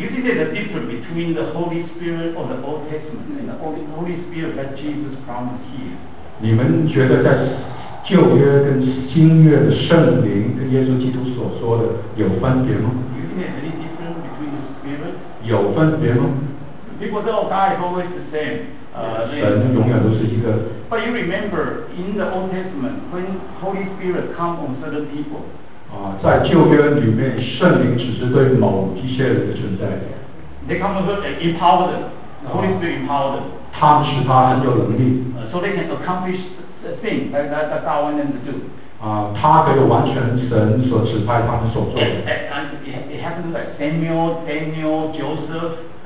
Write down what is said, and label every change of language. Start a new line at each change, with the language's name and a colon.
English: You think there's a difference between the Holy Spirit of the Old Testament and the Holy Spirit that Jesus promised here?
Chinese: 你们觉得在旧约跟新约的圣灵跟耶稣基督所说的有分别吗？
English: You think any difference between the spirit?
Chinese: 有分别吗？
English: People say, oh, God is always the same.
Chinese: 神永远都是一个。
English: But you remember, in the Old Testament, when Holy Spirit comes on certain people,
Chinese: 在旧约里面，圣灵只是对某一些人的存在。
English: They come on certain empowered, Holy Spirit empowered.
Chinese: 他们使他很有能力。
English: So they can accomplish thing that God wants them to do.
Chinese: 他可以完成神所指派他们所做的。
English: It happened like Daniel, Joseph.